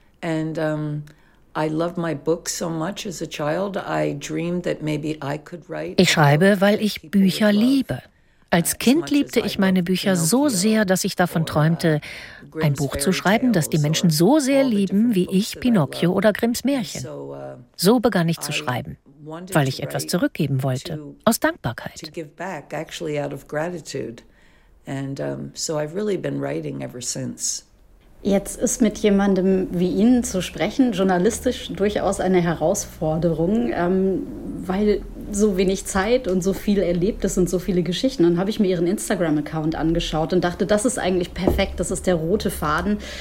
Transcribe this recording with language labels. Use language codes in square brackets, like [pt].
[en] And I love my books so much as a child. I dreamed that maybe I could write. [de] Ich schreibe, weil ich Bücher liebe. Als Kind liebte ich meine Bücher so sehr, dass ich davon träumte, ein Buch zu schreiben, das die Menschen so sehr lieben wie ich Pinocchio oder Grimms Märchen. So begann ich zu schreiben. Weil ich etwas zurückgeben wollte, aus Dankbarkeit. [en] To give back, actually out of gratitude. And so I've really been writing ever since. [de] Jetzt ist mit jemandem wie Ihnen zu sprechen, journalistisch durchaus eine Herausforderung, weil so wenig Zeit und so viel Erlebtes und so viele Geschichten. Dann habe ich mir Ihren Instagram-Account angeschaut und dachte, das ist eigentlich perfekt, das ist der rote Faden.